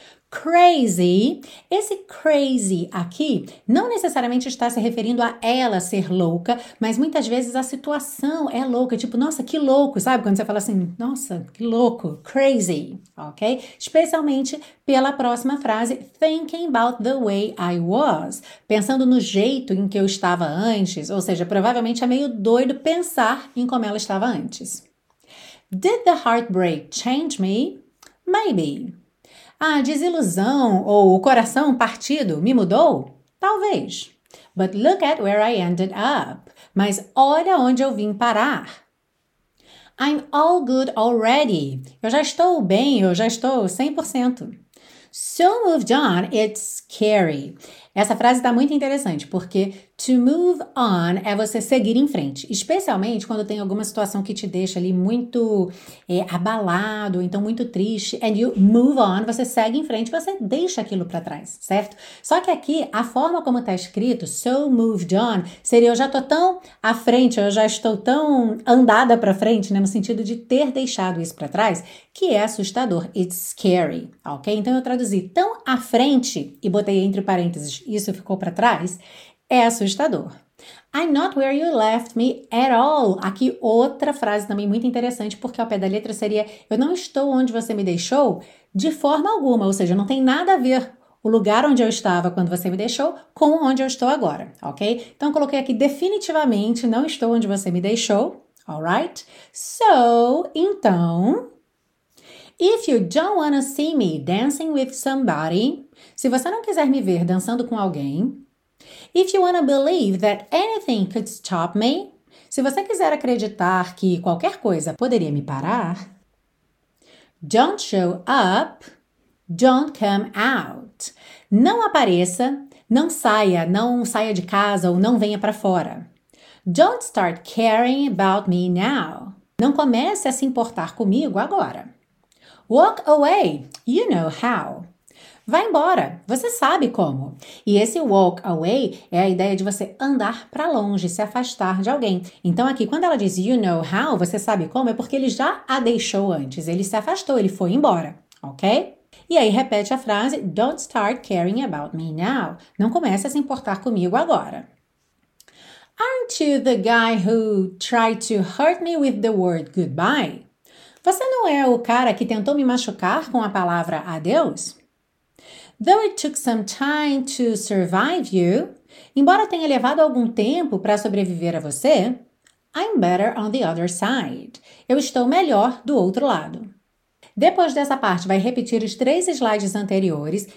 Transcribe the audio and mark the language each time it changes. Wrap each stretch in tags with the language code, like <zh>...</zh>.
<pt>Crazy, esse crazy aqui não necessariamente está se referindo a ela ser louca, mas muitas vezes a situação é louca, tipo, nossa, que louco, sabe? Quando você fala assim, nossa, que louco, crazy, ok? Especialmente pela próxima frase,</pt> <en>thinking about the way I was,</en> <pt>pensando no jeito em que eu estava antes, ou seja, provavelmente é meio doido pensar em como ela estava antes.</pt> <en>Did the heartbreak change me? Maybe.</en> <pt>A desilusão ou o coração partido me mudou? Talvez.</pt> <en>But look at where I ended up.</en> <pt>Mas olha onde eu vim parar.</pt> <en>I'm all good already.</en> <pt>Eu já estou bem, eu já estou 100%.</pt> <en>So moved on, it's scary.</en> <pt>Essa frase está muito interessante, porque to move on é você seguir em frente, especialmente quando tem alguma situação que te deixa ali muito abalado, então muito triste,</pt> <en>and you move on,</en> <pt>você segue em frente, você deixa aquilo para trás, certo? Só que aqui, a forma como está escrito,</pt> <en>so moved on,</en> <pt>seria eu já estou tão à frente, eu já estou tão andada para frente, né, no sentido de ter deixado isso para trás, que é assustador,</pt> <en>it's scary,</en> <pt>ok? Então eu traduzi tão à frente, e botei entre parênteses, isso ficou para trás, é assustador.</pt> <en>I'm not where you left me at all.</en> <pt>Aqui outra frase também muito interessante, porque ao pé da letra seria eu não estou onde você me deixou de forma alguma, ou seja, não tem nada a ver o lugar onde eu estava quando você me deixou com onde eu estou agora, ok? Então eu coloquei aqui definitivamente não estou onde você me deixou, alright?</pt> <en>So,</en> <pt>então,</pt> <en>if you don't wanna see me dancing with somebody,</en> <pt>Se você não quiser me ver dançando com alguém.</pt> <en>If you wanna believe that anything could stop me.</en> <pt>Se você quiser acreditar que qualquer coisa poderia me parar.</pt> <en>Don't show up. Don't come out.</en> <pt>Não apareça, não saia de casa ou não venha para fora.</pt> <en>Don't start caring about me now.</en> <pt>Não comece a se importar comigo agora.</pt> <en>Walk away, you know how.</en> <pt>Vá embora, você sabe como. E esse walk away é a ideia de você andar para longe, se afastar de alguém. Então aqui, quando ela diz</pt> <en>you know how,</en> <pt>você sabe como, é porque ele já a deixou antes, ele se afastou, ele foi embora, ok? E aí repete a frase,</pt> <en>don't start caring about me now.</en> <pt>Não comece a se importar comigo agora.</pt> <en>Aren't you the guy who tried to hurt me with the word goodbye?</en> <pt>Você não é o cara que tentou me machucar com a palavra adeus?</pt> <en>Though it took some time to survive you,</en> <pt>embora tenha levado algum tempo para sobreviver a você,</pt> <en>I'm better on the other side.</en> <pt>Eu estou melhor do outro lado. Depois dessa parte, vai repetir os três slides anteriores.</pt>